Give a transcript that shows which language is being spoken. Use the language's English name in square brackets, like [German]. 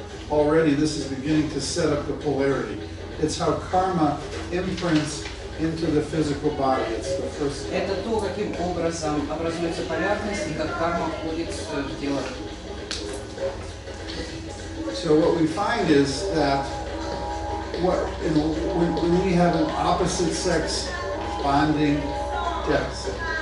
[English] Already this is beginning to set up the polarity. It's how karma imprints into the physical body. It's the first. [Russian] Это то, каким образом образуется полярность и как карма входит в тело. [English] So what we find is that what, you know, when we have an opposite sex bonding deficit.